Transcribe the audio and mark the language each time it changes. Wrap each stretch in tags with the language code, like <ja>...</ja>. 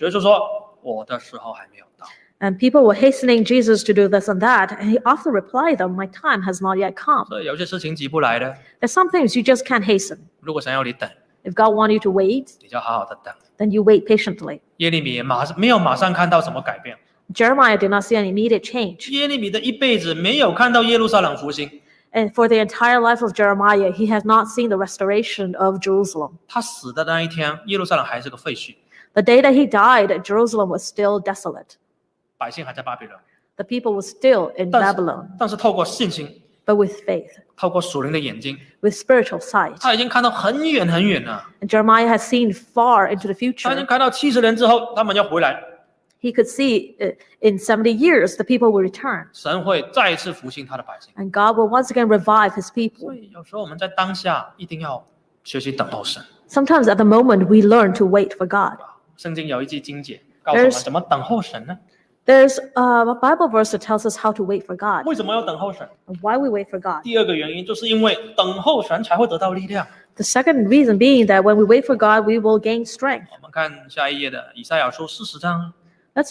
<zh>别人都在催主耶稣，你要做点什么，你要上去守节，你要做个神迹。主耶稣说，我的时候还没有到。</zh> <en>And people were hastening Jesus to do this and that, and he often replied them, my time has not yet come.</en> <zh>所以有些事情急不来的。</zh> <en>There's some things you just can't hasten.</en> <zh>如果神要你等,</zh> <en>if God wants you to wait,</en> <zh>你就好好的等,</zh> <en>then you wait patiently.</en> <zh>耶利米也没有马上看到什么改变。</zh> <en>Jeremiah did not see any immediate change.</en> <zh>耶利米的一辈子没有看到耶路撒冷复兴。</zh> <en>And for the entire life of Jeremiah, he has not seen the restoration of Jerusalem.</en> <zh>他死的那一天, 耶路撒冷还是个废墟。</zh> <en>The day that he died, Jerusalem was still desolate.</en> <zh>百姓还在巴比伦。</zh> <en>The people were still in Babylon.</en> <zh>但是透过信心,</zh> <en>but with faith.</en> <zh>透过属灵的眼睛,</zh> <en>with spiritual sight.</en> <zh>他已经看到很远很远了,</zh> <en>and Jeremiah has seen far into the future.</en> <zh>他已经看到70年之后,</zh> <en>he could see in 70 years the people will return.</en> <zh>神会再次复兴他的百姓,</zh> <en>and God will once again revive his people.</en> <zh>所以有时候我们在当下一定要学习等候神。</zh> <en>Sometimes at the moment we learn to wait for God.</en> <zh>圣经有一句经解告诉我们怎么等候神呢?</zh> <en>There's a Bible verse that tells us how to wait for God.</en> <zh>为什么要等候神?</zh> <en>Why we wait for God?</en> <zh>第二个原因就是因为等候神才会得到力量。</zh> <en>The second reason being that when we wait for God, we will gain strength.</en> <zh>我们看下一页的以赛亚书40章。</zh> <en>Let's</en>